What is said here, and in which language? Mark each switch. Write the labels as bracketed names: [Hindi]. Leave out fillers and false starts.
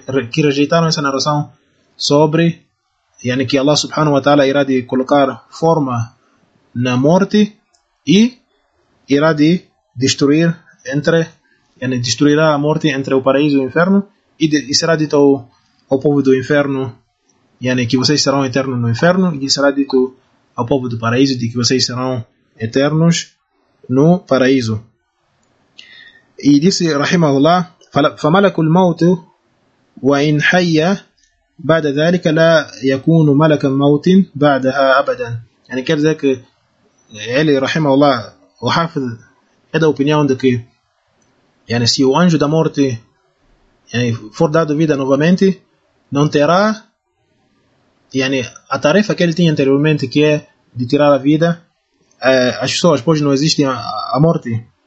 [Portuguese] que rejeitaram essa narração sobre yani, que Allah subhanahu wa ta'ala irá de colocar forma na morte e irá de destruir entre yani, destruirá a morte entre o paraíso e o inferno e será dito ao povo do inferno yani, que vocês serão eternos no inferno e será dito ao povo do paraíso de que vocês serão eternos no paraíso. E disse [Arabic] rahimahullah, فملك الموت وإن حي بعد ذلك لا يكون ملك الموت بعدها أبدا. [Portuguese] يعني quer dizer que ele rahimahullah o Hafiz é da opinião de que yani, se o anjo da morte yani, for dado vida novamente, não terá yani, a tarefa que ele tinha anteriormente, que é de tirar a vida as pessoas, pois não existe a morte.